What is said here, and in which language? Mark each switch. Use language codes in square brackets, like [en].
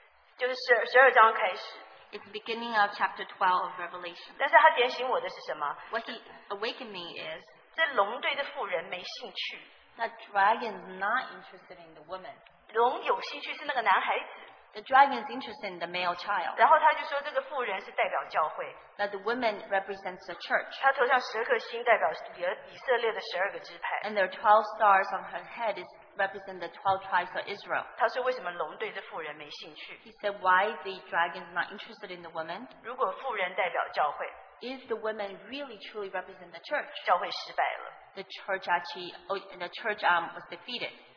[zh] 启示录十二章第十二章开始。 [en] It's the beginning of chapter 12 of Revelation. [zh] 但是他点醒我的是什么? [en] What he awakened me is [zh] 这龙对的妇人没兴趣, [en] that dragon is not interested in the woman. [zh] 龙有兴趣是那个男孩子, [en] the dragon is interested in the male child. [zh] 然后他就说这个妇人是代表教会, [en] that the woman represents the church. [zh] 她头上十颗星代表以色列的十二个支派, [en] and there are 12 stars on her head is represent the 12 tribes of Israel. He said, why the dragon is not interested in the woman? If the woman really truly represent the church, the church was defeated.